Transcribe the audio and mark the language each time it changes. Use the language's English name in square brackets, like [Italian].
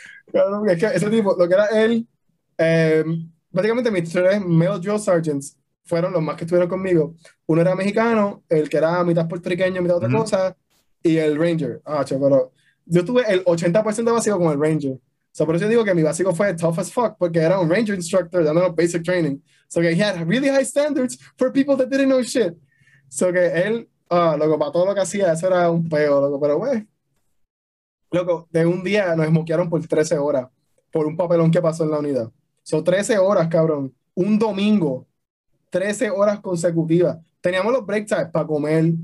[Spanish] Pero es que ese tipo, lo que era él, básicamente mis 3 male drill sergeants, fueron los más que estuvieron conmigo. Uno era mexicano, el que era mitad puertorriqueño, mitad otra cosa, y el ranger. Ah, pero yo tuve el 80% básico con el ranger. So, por eso digo que mi básico fue [English] tough as fuck, [Spanish] porque era un ranger instructor dándonos basic training. So que [English] he had really high standards for people that didn't know shit. [Spanish] So que él, loco, para todo lo que hacía, eso era un peo, loco. Pero, güey, loco, de un día nos smokearon por 13 horas por un papelón que pasó en la unidad. So 13 horas, cabrón, un domingo. 13 horas consecutivas. Teníamos los break times para comer.